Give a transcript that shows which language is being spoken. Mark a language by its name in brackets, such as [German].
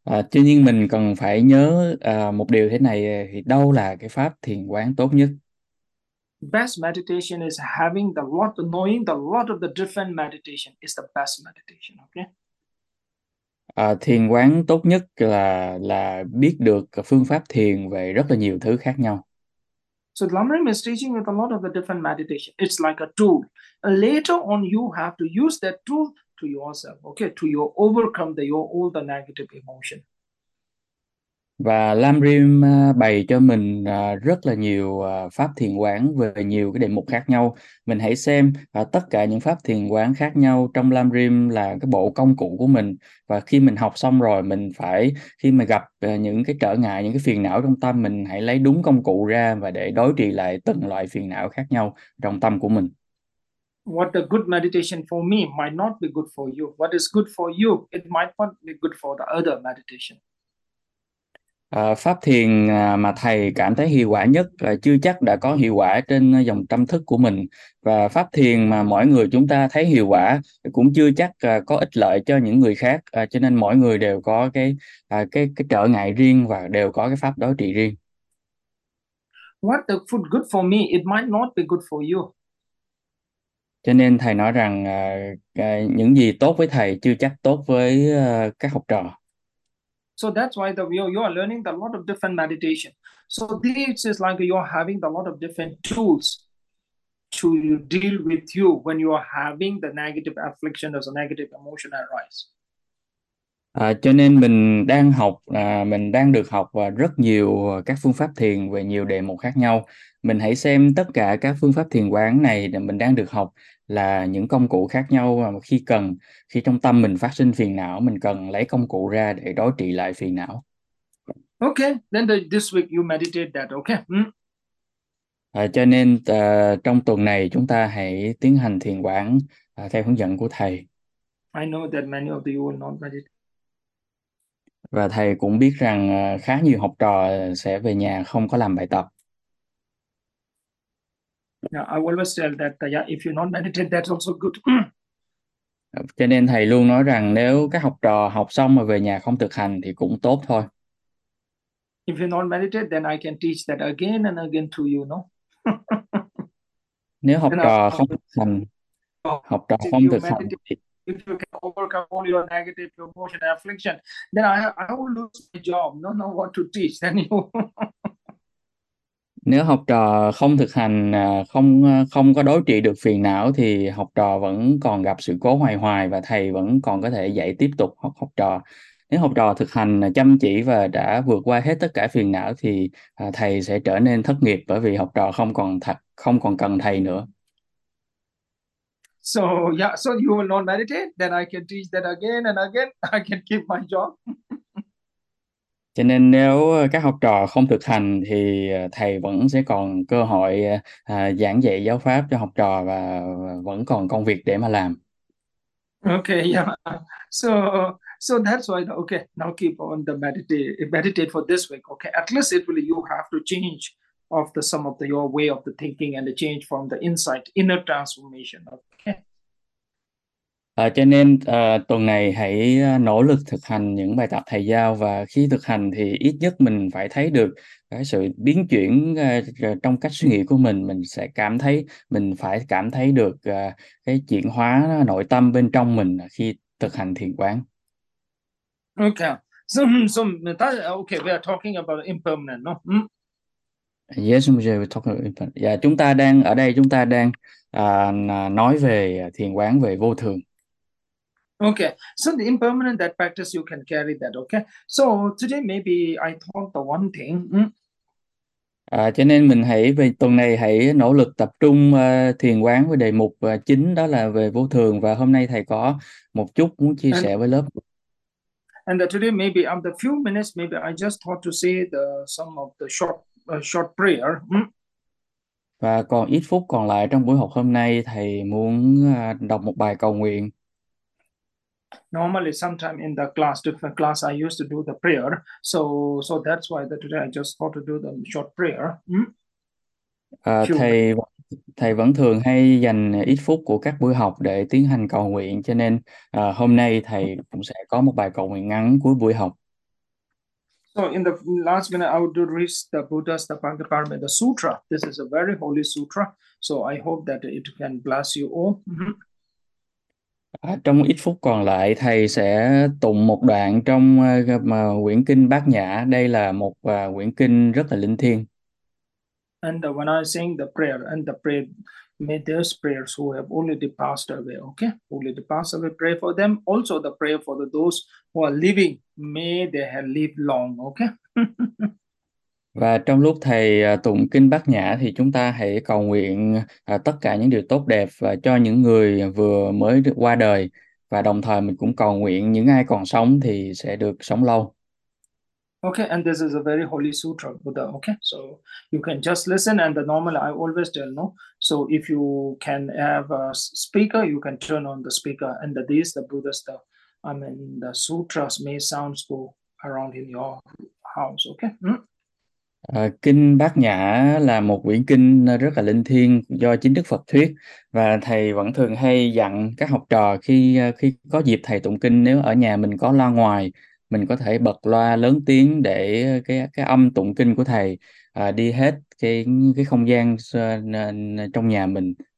[Vietnamese] Tuy nhiên mình cần phải nhớ một điều thế này, thì đâu là cái pháp thiền quán tốt nhất? [English] Best meditation is having the lot, knowing the lot of the different meditation is the best meditation, okay? [Vietnamese] Thiền quán tốt nhất là biết được phương pháp thiền về rất là nhiều thứ khác nhau. [English] So Lama Rim is teaching with a lot of the different meditation. It's like a tool. Later on, you have to use that tool to yourself, okay? To your overcome the your all the negative emotion. [Vietnamese] Và Lama Rim bày cho mình rất là nhiều pháp thiền quán về nhiều cái đề mục khác nhau. Mình hãy xem tất cả những pháp thiền quán khác nhau trong Lama Rim là cái bộ công cụ của mình. Và khi mình học xong rồi, mình phải khi mà gặp những cái trở ngại, những cái phiền não trong tâm, mình hãy lấy đúng công cụ ra và để đối trị lại từng loại phiền não khác nhau trong tâm của mình. [English] What a good meditation for me might not be good for you. What is good for you, it might not be good for the other meditation. [Vietnamese] Pháp thiền mà thầy cảm thấy hiệu quả nhất chưa chắc đã có hiệu quả trên dòng tâm thức của mình. Và pháp thiền mà mỗi người chúng ta thấy hiệu quả cũng chưa chắc có ích lợi cho những người khác. Cho nên mỗi người đều có cái trở ngại riêng và đều có cái pháp đối trị riêng. [English] What the food good for me, it might not be good for you. [Vietnamese] Cho nên thầy nói rằng những gì tốt với thầy chưa chắc tốt với các học trò. [English] So that's why you are learning a lot of different meditation. So this is like you are having a lot of different tools to deal with you when you are having the negative affliction or the negative emotion arise. [Vietnamese] Cho nên mình đang học, mình đang được học rất nhiều các phương pháp thiền về nhiều đề mục khác nhau. Mình hãy xem tất cả các phương pháp thiền quán này mình đang được học là những công cụ khác nhau khi cần, khi trong tâm mình phát sinh phiền não, mình cần lấy công cụ ra để đối trị lại phiền não. [English] Okay, then this week you meditate that, okay? [Vietnamese] Cho nên trong tuần này chúng ta hãy tiến hành thiền quán theo hướng dẫn của thầy. [English] I know that many of you will not meditate. [Vietnamese] Và thầy cũng biết rằng khá nhiều học trò sẽ về nhà không có làm bài tập. [English] Yeah, I always tell that if you not meditate, that's also good. [Vietnamese] Cho nên thầy luôn nói rằng nếu các học trò học xong mà về nhà không thực hành thì cũng tốt thôi. [English] If you not meditate, then I can teach that again and again to you, no? [Vietnamese] Nếu học trò không thực hành, học trò không thực hành thì... [English] If you can overcome all your negative emotion and affliction, then I will lose my job, not know what to teach, then you... [Vietnamese] Nếu học trò không thực hành, không không có đối trị được phiền não thì học trò vẫn còn gặp sự cố hoài hoài và thầy vẫn còn có thể dạy tiếp tục học trò. Nếu học trò thực hành chăm chỉ và đã vượt qua hết tất cả phiền não thì thầy sẽ trở nên thất nghiệp bởi vì học trò không còn cần thầy nữa. [English] So yeah, so you will not meditate, then I can teach that again and again, I can keep my job. [Vietnamese] Cho nên nếu các học trò không thực hành thì thầy vẫn sẽ còn cơ hội giảng dạy giáo pháp cho học trò và vẫn còn công việc để mà làm. [English] Okay, yeah. So that's why, okay, now keep on the meditate for this week. Okay, at least it will you have to change of the sum of the your way of the thinking and the change from the insight, inner transformation. Okay. [Vietnamese] Cho nên tuần này hãy nỗ lực thực hành những bài tập thầy giao, và khi thực hành thì ít nhất mình phải thấy được cái sự biến chuyển trong cách suy nghĩ của mình sẽ cảm thấy, mình phải cảm thấy được cái chuyển hóa nội tâm bên trong mình khi thực hành thiền quán. [English] Okay. So that, okay, we are talking about impermanent, no? Yes, we're talking about... [Vietnamese] chúng ta đang ở đây, chúng ta đang nói về thiền quán, về vô thường. [English] Okay, so the impermanent that practice you can carry that, okay? So today maybe I thought the one thing. [Vietnamese] Cho nên mình hãy về tuần này hãy nỗ lực tập trung thiền quán với đề mục chính, đó là về vô thường, và hôm nay thầy có một chút muốn chia sẻ với lớp. [English] And today maybe after the few minutes maybe I just thought to say the some of the short prayer. [Vietnamese] Và còn ít phút còn lại trong buổi học hôm nay, thầy muốn đọc một bài cầu nguyện. [English] Normally sometime in the class different class I used to do the prayer. So that's why that today I just thought to do the short prayer. Few minutes. [Vietnamese] Thầy vẫn thường hay dành ít phút của các buổi học để tiến hành cầu nguyện, cho nên hôm nay thầy cũng sẽ có một bài cầu nguyện ngắn cuối buổi học. [English] So in the last minute, I would reach the Buddha's the Bhagavad the Sutra. This is a very holy sutra. So I hope that it can bless you all. [Vietnamese] Trong ít phút còn lại, thầy sẽ tụng một đoạn trong quyển kinh Bát Nhã. Đây là một quyển kinh rất là linh thiêng. [English] And when I sing the prayer and the prayer, may those prayers who have already passed away, okay, already passed away, pray for them. Also the prayer for the those who are living, may they have lived long, okay. [Vietnamese] Và trong lúc thầy tụng kinh Bát Nhã thì chúng ta hãy cầu nguyện tất cả những điều tốt đẹp và cho những người vừa mới được qua đời, và đồng thời mình cũng cầu nguyện những ai còn sống thì sẽ được sống lâu. [English] Okay, and this is a very holy sutra, Buddha. Okay, so you can just listen. And the normal, I always tell, no. So if you can have a speaker, you can turn on the speaker. And this, the Buddha stuff, I mean, the sutras may sounds go around in your house. Okay. [Vietnamese] Kinh Bát Nhã là một quyển kinh rất là linh thiêng do chính Đức Phật thuyết, và thầy vẫn thường hay dặn các học trò khi khi có dịp thầy tụng kinh, nếu ở nhà mình có loa ngoài, mình có thể bật loa lớn tiếng để cái âm tụng kinh của thầy đi hết cái không gian trong nhà mình.